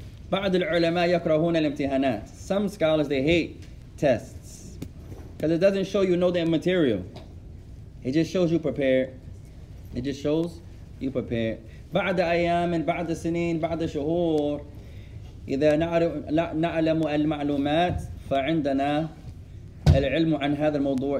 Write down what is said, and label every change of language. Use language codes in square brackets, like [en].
[ar] بعض العلماء يكرهون الامتحانات. [en] Some scholars, they hate tests. Because it doesn't show you know the material. It just shows you prepared. It just shows you prepare. [ar] بعد أيام بعد سنين بعد شهور إذا نعلم المعلومات فعندنا العلم عن هذا الموضوع.